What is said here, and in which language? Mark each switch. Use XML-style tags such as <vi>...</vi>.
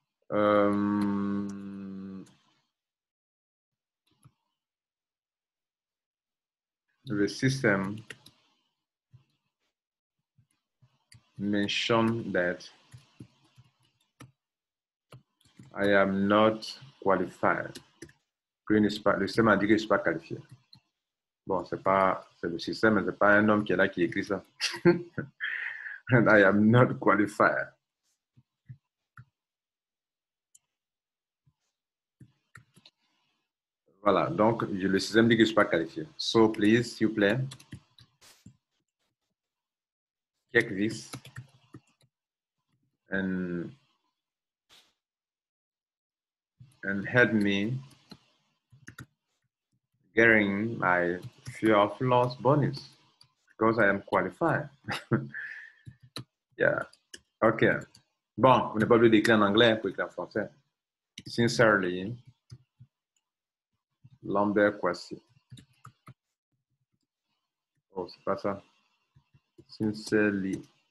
<en>The system mention that I am not qualified.</en> <fr>Le système a dit que je ne suis pas qualifié. Bon, c'est le système, mais ce n'est pas un homme qui est là qui écrit ça.</fr> <en>And I am not qualified.</en> <fr>Voilà, donc le système dit que je ne suis pas qualifié.</fr> <en>So please,</en> <fr>s'il vous plaît,</fr> <en>check this. And help me getting my fear of loss bonus because I am qualified. Yeah. OK.</en> <fr>Bon, on n'est pas obligé d'écrire en anglais pour écrire en français.</fr> <en>Sincerely, Lambert Kwasi.</en> <fr>Oh, c'est pas ça. Sincerely.</fr>